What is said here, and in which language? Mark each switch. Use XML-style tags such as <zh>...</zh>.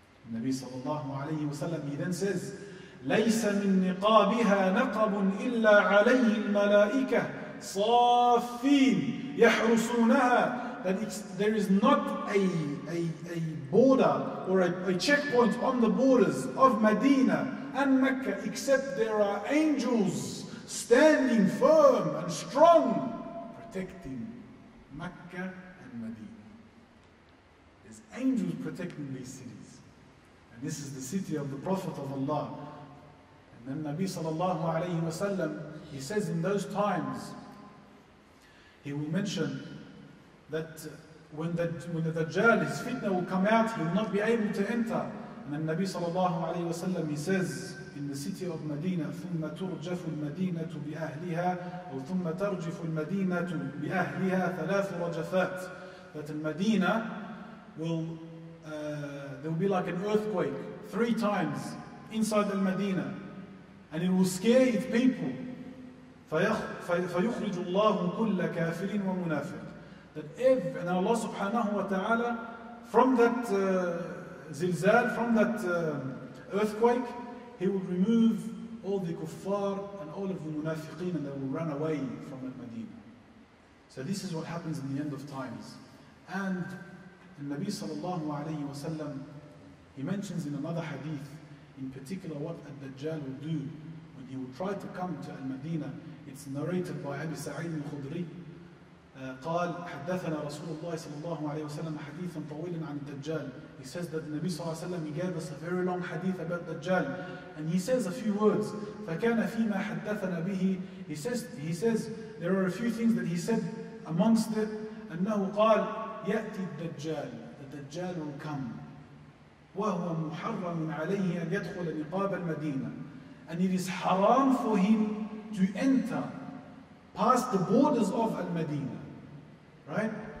<ar>النبي صلى الله عليه وسلم,</ar> <en>he then says,</en> <ar>لَيْسَ مِنْ نِقَابِهَا نَقَبٌ إِلَّا عَلَيْهِ الْمَلَائِكَةَ صَافِينَ يَحْرُسُونَهَا.</ar> <en>That there is not a border or a checkpoint on the borders of Medina and Mecca except there are angels standing firm and strong, protecting Mecca and Medina. There's angels protecting these cities. And this is the city of the Prophet of Allah. And then Nabi sallallahu alayhi wa sallam, he says in those times, he will mention that when the Dajjal, his fitna will come out, he will not be able to enter. And then Nabi sallallahu alayhi wa sallam, he says, in the city of Medina,</en> <ar>ثم ترجف المدينة بأهلها أو ثم ترجف المدينة بأهلها ثلاث رجفات.</ar> <en>That in Medina, there will be like an earthquake three times inside the Medina, and it will scare its people.</en> <ar>فيخرج الله كل كافر ومنافق.</ar> <en>That if, and Allah subhanahu wa ta'ala, from that zilzal, from that earthquake, He will remove all the kuffar and all of the munafiqeen, and they will run away from Medina. So this is what happens in the end of times. And the Nabi sallallahu alayhi wa sallam, he mentions in another hadith, in particular what Ad-Dajjal will do when he will try to come to Medina. It's narrated by Abi Sa'id al-Khudri.</en> <ar>قال حدثنا رسول الله صلى الله عليه وسلم حديثا طويلا عن الدجال.</ar> <en>He says that the Nabi صلى الله عليه وسلم, he gave us a very long hadith about Dajjal, and he says a few words.</en> <ar>فكان فيما حدثنا به,</ar> <en>he says there are a few things that he said amongst it.</en> <ar>أنه قال يأتي الدجال,</ar> <en>the Dajjal will come,</en> <ar>وهو محرم عليه أن يدخل نقاب المدينة,</ar> <en>and it is haram for him to enter past the borders of Al-Madinah, right?</en>